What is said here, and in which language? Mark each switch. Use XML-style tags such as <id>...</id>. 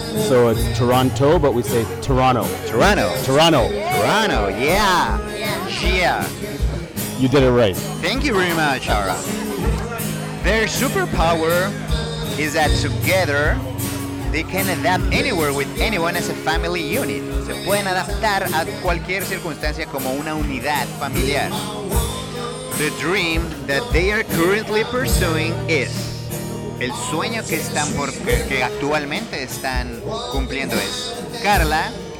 <en>So it's Toronto, but we say Toronto. Toronto. Toronto. Toronto, yeah. Yeah. You did it right. Thank you very much, Ara. Their superpower is that together, they can adapt anywhere with anyone as a family unit.</en> <es>Se pueden adaptar a cualquier circunstancia como una unidad familiar.</es> <en>The dream that they are currently pursuing is...</en> <es>El sueño que están por, que actualmente están cumpliendo es Carla.</es>